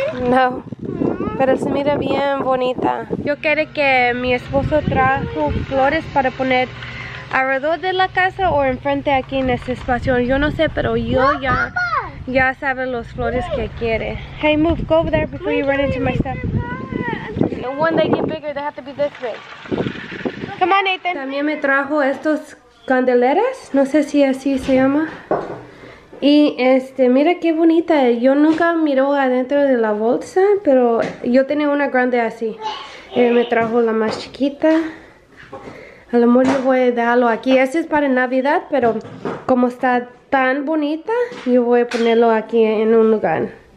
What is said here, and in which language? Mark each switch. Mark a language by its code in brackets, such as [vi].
[es] No. Pero se mira bien bonita. Yo quiero que mi esposo trajo flores para poner alrededor de la casa o enfrente aquí en este espacio. Yo no sé, pero yo ya sabe los flores que quiere. [en] Hey, move. Go over there before you run into my stuff. The one that get bigger, they have to be this big. Come on, Nathan. [es] También me trajo estos candeleras. No sé si así se llama. Y mira qué bonita, yo nunca miro adentro de la bolsa, pero yo tenía una grande así. Me trajo la más chiquita. A lo mejor yo voy a dejarlo aquí, este es para Navidad, pero como está tan bonita, yo voy a ponerlo aquí en un lugar.